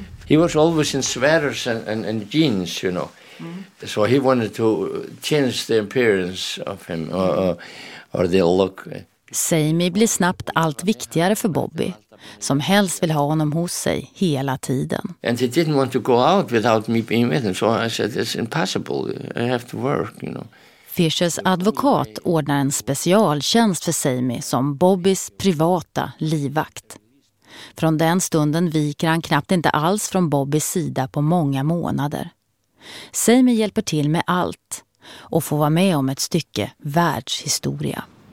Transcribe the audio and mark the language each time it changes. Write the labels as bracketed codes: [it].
[en] He was always in sweaters and jeans, you know. Mm. So he wanted to change the appearance of him or the look. [sv] Seimi blir snabbt allt viktigare för Bobby, som helst vill ha honom hos sig hela tiden. [en] And he didn't want to go out without me being with him. So I said, it's impossible. I have to work, you know. [sv] Fischers advokat ordnar en specialtjänst för Seimi som Bobbys privata livvakt. Från den stunden viker han knappt inte alls från Bobbys sida på många månader. Seimi hjälper till med allt och får vara med om ett stycke världshistoria.